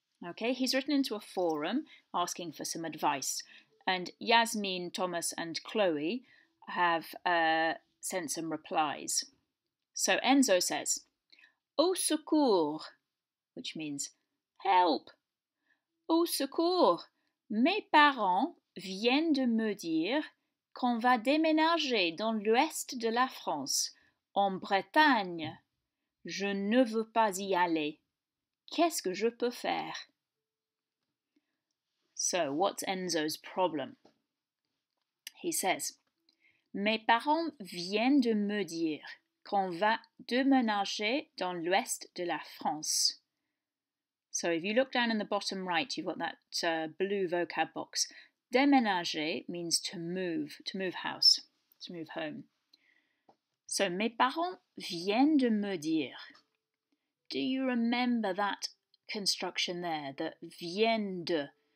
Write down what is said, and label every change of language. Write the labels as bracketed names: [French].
[English] Okay, he's written into a forum asking for some advice. And Yasmin, Thomas and Chloe have sent some replies. So Enzo says, [French] au secours, [English] which means help. [French] Au secours, mes parents viennent de me dire qu'on va déménager dans l'ouest de la France, en Bretagne. Je ne veux pas y aller. Qu'est-ce que je peux faire? [English] So, what's Enzo's problem? He says, [French] mes parents viennent de me dire qu'on va déménager dans l'ouest de la France. [English] So, if you look down in the bottom right, you've got that blue vocab box. Déménager means to move house, to move home. So, [French] mes parents viennent de me dire. [English] Do you remember that construction there, that viennent de?